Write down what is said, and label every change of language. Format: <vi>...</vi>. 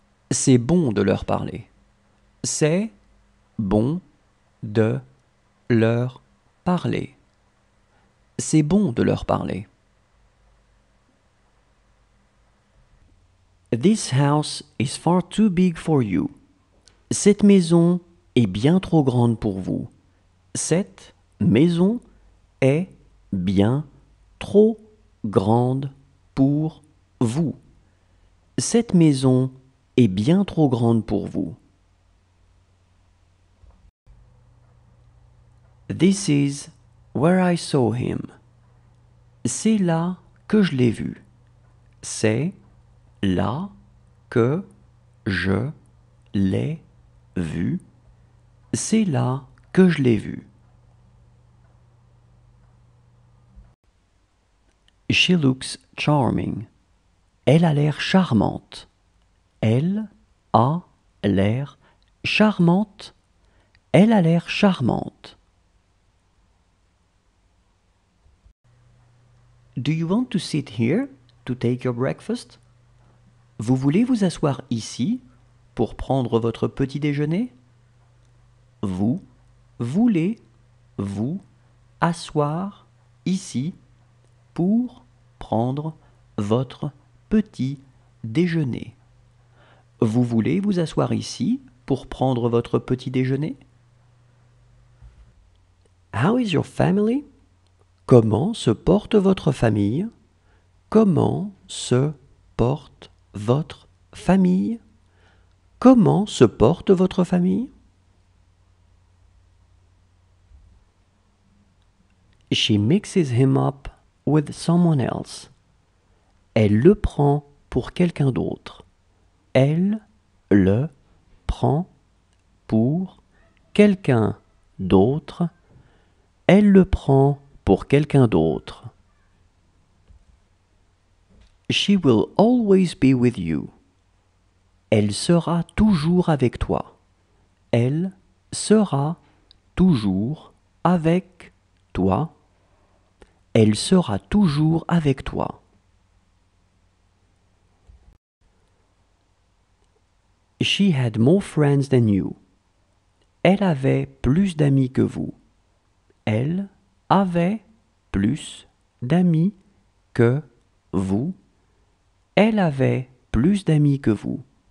<fr>C'est bon de leur parler. C'est bon de leur parler. C'est bon de leur parler.</fr> <en>This house is far too big for you.</en> <fr>Cette maison est bien trop grande pour vous. Cette maison est bien trop grande pour vous. Cette maison est bien trop grande pour vous.</fr> <en>This is where I saw him.</en> <fr>C'est là que je l'ai vu. C'est là que je l'ai vu. C'est là que je l'ai vu.</fr> <en>She looks charming.</en> <fr>Elle a l'air charmante. Elle a l'air charmante. Elle a l'air charmante.</fr> <en>Do you want to sit here to take your breakfast?</en> <fr>Vous voulez vous asseoir ici pour prendre votre petit déjeuner? Vous voulez vous asseoir ici pour prendre votre petit déjeuner. Vous voulez vous asseoir ici pour prendre votre petit déjeuner?</fr> <en>How is your family?</en> <fr>Comment se porte votre famille? Comment se porte votre famille? Comment se porte votre famille?</fr> <en>She mixes him up with someone else.</en> <fr>Elle le prend pour quelqu'un d'autre. Elle le prend pour quelqu'un d'autre. Elle le prend pour quelqu'un d'autre.</fr> <en>She will always be with you.</en> <fr>Elle sera toujours avec toi. Elle sera toujours avec toi. Elle sera toujours avec toi.</fr> <en>She had more friends than you.</en> <fr>Elle avait plus d'amis que vous. Elle avait plus d'amis que vous. Elle avait plus d'amis que vous.</fr>